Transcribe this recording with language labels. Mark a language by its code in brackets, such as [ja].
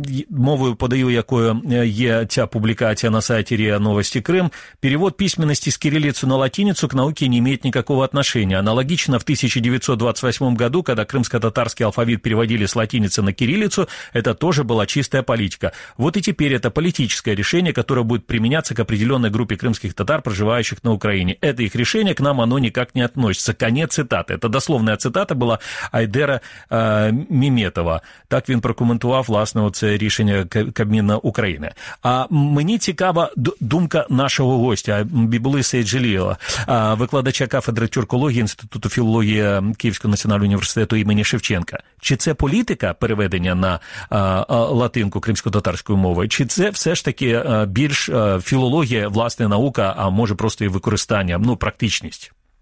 [uk] Мовою подаю, якою є ця публікація на сайті РІА Новості Крим. [ru] Перевод письменности с кириллицы на латиницу к науке не имеет никакого отношения. Аналогично, в 1928 году, когда крымско-татарский алфавит переводили с латиницы на кириллицу, это тоже была чистая политика. Вот и теперь это политическое решение, которое будет применяться к определенной группе крымских татар, проживающих на Украине. Это их решение, к нам оно никак не относится. Конец цитаты. Это дословная цитата была Айдера Міметова. [uk] Так він прокоментував, власне, це рішення Кабміна України. А мені цікава думка нашого гостя Бібули Сейджеліла, викладача кафедри тюркології Інституту філології Київського національного університету імені Шевченка. Чи це політика переведення на латинку кримсько-татарської мови, чи це все ж таки більш філологія, власне, наука, а може просто і використання, практичність?